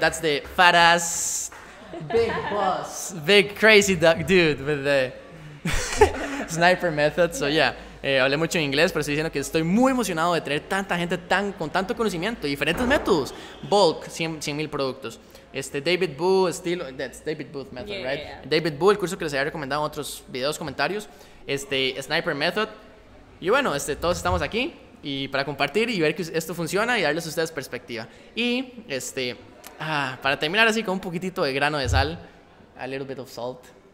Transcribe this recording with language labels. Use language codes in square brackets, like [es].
[en] That's the fat ass big boss, big crazy duck dude with the sniper method. [es] So hablé mucho en inglés, pero estoy diciendo que estoy muy emocionado de tener tanta gente tan con tanto conocimiento y diferentes métodos. Bulk 100,000 productos. [en] David Boo estilo, that's David Booth method, right? Yeah. [es] David Boo, el curso que les había recomendado en otros videos, comentarios. Sniper method. Y bueno, todos estamos aquí y para compartir y ver que esto funciona y darles a ustedes perspectiva. Y para terminar así con un poquitito de grano de sal, [en] a little bit of salt.